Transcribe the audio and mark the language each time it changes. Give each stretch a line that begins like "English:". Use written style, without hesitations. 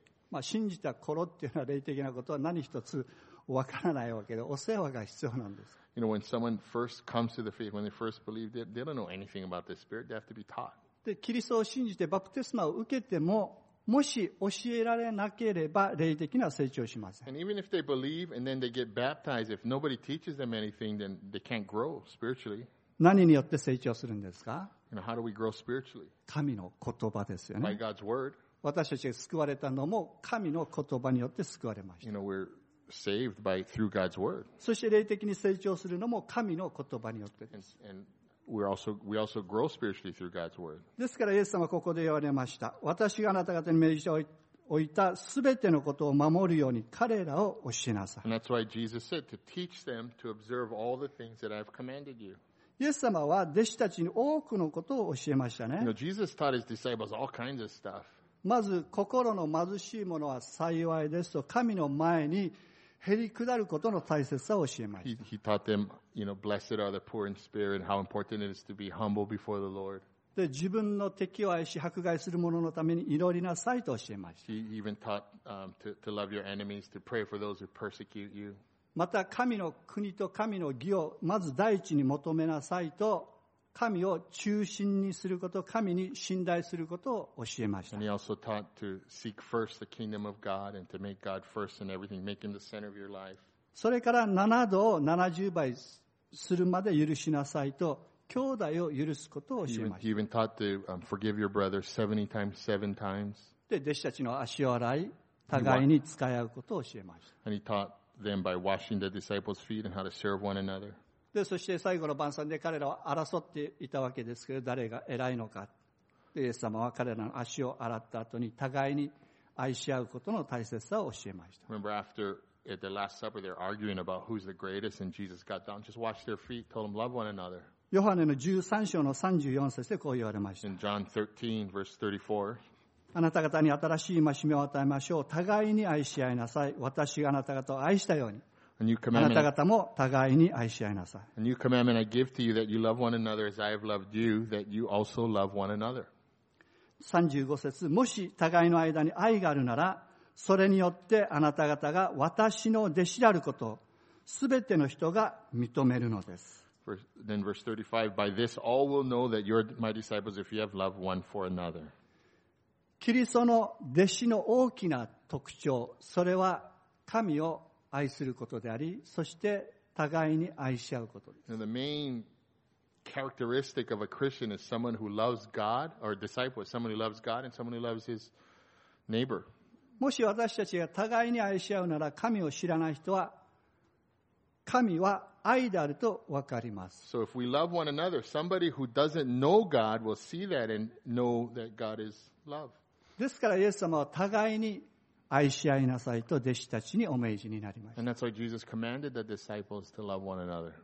Japanese: まあ信じた頃っていうのは霊的なことは何一つわからないわけで、お世話が必要なんです。
English: You know, when someone first comes to the faith, when they first believe, they don't know anything about the Spirit. They have to be taught.
Japanese: で、キリストを信じてバプテスマを受けても、もし教えられなければ霊的には成長しません。
English: And even if they believe and then they get baptized, if nobody teaches them anything, then they can't grow spiritually.
Japanese: 何によって成長するんですか？
English: You know, how do we grow spiritually?
Japanese: 神の言葉ですよね。
English: By God's word.
Japanese: 私たちが救われたのも神の言葉によって救われました。
English: You know, we're saved by, through God's word.
Japanese: そして霊的に成長するのも神の言葉によってです。
English: We also grow spiritually through God's word.
Japanese: ですからイエス様はここで言われました。私があなた方に命じておいたすべてのことを守るように彼らを教えなさい。
English: And that's why Jesus said to teach them to observe all the things that I've commanded you.
Japanese: イエス様は弟子たちに多くのことを教えましたね。
English: You know, Jesus taught his disciples all kinds of stuff.
Japanese: まず心の貧しいものは幸いですと神の前にへり下ることの大切さを教えました。
English: He taught them, you know, blessed are the poor in spirit, how important it is to be humble before the Lord.
Japanese: で、自分の敵を愛し迫害する者のために祈りなさいと教えました。
English: He even taught to love your enemies, to pray for those who persecute you.
Japanese: また神の国と神の義をまず第一に求めなさいと神を中心にすること神に信頼することを教えました。
English: And he also taught to seek first the kingdom of God and to make God first in everything, make him the center of your life.
Japanese: それから7度を70倍するまで許しなさいと兄弟を許すことを教えました。
English: He even taught to forgive your brother 70 times, 7 times.
Japanese: で、弟子たちの足を洗い互いに使い合うことを教えました。
English: And he taughtThen by washing the disciples' feet and how to serve one another.
Japanese: で、そして最後の晩餐で彼らは争っていたわけですけど、誰が偉いのか。で、イエス様は彼らの足を洗った後に互いに愛し合うことの大切さを教えました。
English: Remember after at the Last Supper they're arguing about who's the greatest, and Jesus got down, just washed their feet, told them love one another.
Japanese: ヨハネの13章の34節でこう言われました。
English: In John 13, verse 34,
Japanese: あなた方に新しい戒めを与えましょう。互いに愛し合いなさい。私があなた方を愛したように。
English: A new commandment,
Japanese: あなた方も互いに愛し合いなさい。
English: A new commandment I give to you that you love one another as I have loved you, that you also love one another.
Japanese: 35節、もし互いの間に愛があるなら、それによってあなた方が私の弟子であることを、すべての人が認めるのです。
English: Then verse 35, by this all will know that you're my disciples if you have love one for another.
Japanese: キリストの弟子の大きな特徴、それは神を愛することであり、そして互いに愛し合うことです。
English: Now the main characteristic of a Christian is someone who loves God, or a disciple is someone who loves God and someone who loves his neighbor.
Japanese: もし私たちが互いに愛し合うなら、神を知らない人は神は愛であると分かります。
English: So if we love one another, somebody who doesn't know God will see that and know that God is love.
Japanese: ですからイエス様は互いに愛し合いなさいと弟子たちにお命じになりました。
English: And that's why Jesus commanded the disciples to love one another.